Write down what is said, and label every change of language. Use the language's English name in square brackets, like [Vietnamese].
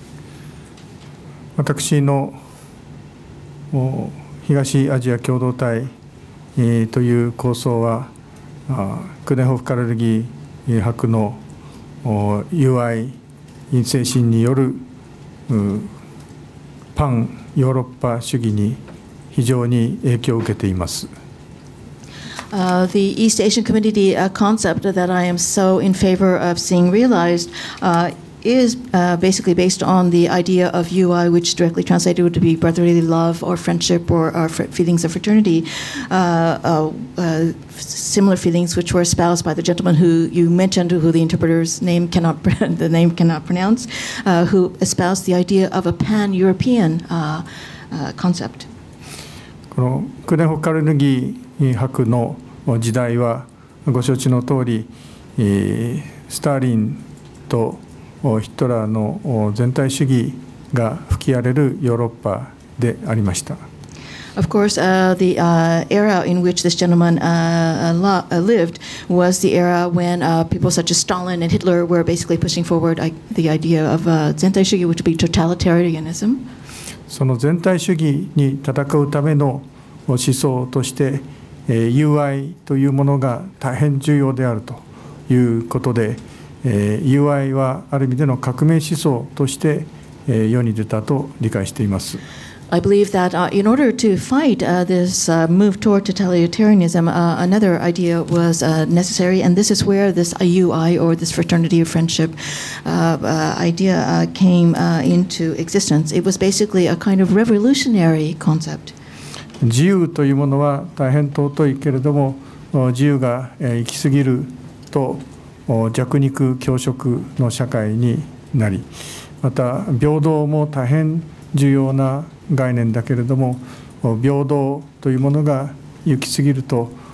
[Japanese] はい、私の東アジア共同体という構想は、クーデンホフ・カルギー博の友愛精神によるパンヨーロッパ主義に非常に影響を受けています。 [English] The East Asian Community concept that I am so in favor of seeing realized is basically based on the idea of UI, which directly translated would be brotherly love or friendship or feelings of fraternity, similar feelings which were espoused by the gentleman who you mentioned, who the interpreter's name cannot the name cannot pronounce, who espoused the idea of a pan-European concept. [Japanese] Coudenhove-Kalergi 博の時代はご承知の通り、スターリンとヒットラーの全体主義が吹き荒れるヨーロッパでありました。 [English] Of course, the era in which this gentleman lived was the era when people such as Stalin and Hitler were basically pushing forward the idea of 全体主義, which would be totalitarianism. [Japanese] その全体主義に戦うための思想として、UI というものが大変重要であるということで、UI はある意味での革命思想として世に出たと理解しています。 [English] I believe that in order to fight this move toward totalitarianism, another idea was necessary, and this is where this UI or this fraternity of friendship idea came into existence. It was basically a kind of revolutionary concept. [Japanese] 自由というものは大変尊いけれども、自由が行き過ぎると弱肉強食の社会になり、また平等も大変重要な概念だけれども、平等というものが行き過ぎると